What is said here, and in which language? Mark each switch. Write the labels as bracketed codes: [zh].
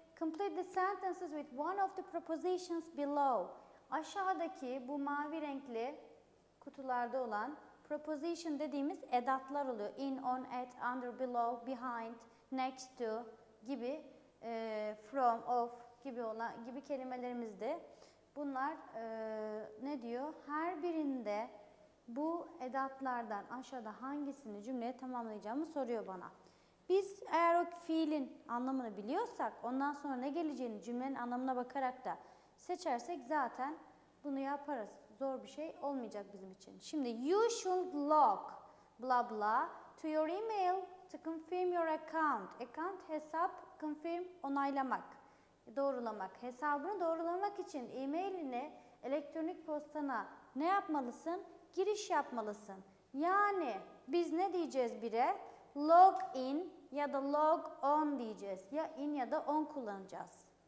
[en] Complete the sentences with one of the prepositions below. [tr] Aşağıdaki bu mavi renkli kutularda olan preposition dediğimiz edatlar oluyor. In, on, at, under, below, behind, next to gibi, from, of gibi olan gibi kelimelerimizde. Bunlar ne diyor? Her birinde bu edatlardan aşağıda hangisini cümleye tamamlayacağımı soruyor bana. Biz eğer o fiilin anlamını biliyorsak, ondan sonra ne geleceğini cümlenin anlamına bakarak da seçersek zaten bunu yaparız. Zor bir şey olmayacak bizim için. [en] Şimdi you should log blah blah to your email to confirm your account. [tr] Account hesap, confirm onaylamak, doğrulamak. Hesabını doğrulamak için e-mailini elektronik postana ne yapmalısın? Giriş yapmalısın. Yani biz ne diyeceğiz bire? Log in ya da log on diyeceğiz. Ya in ya da on kullanacağız.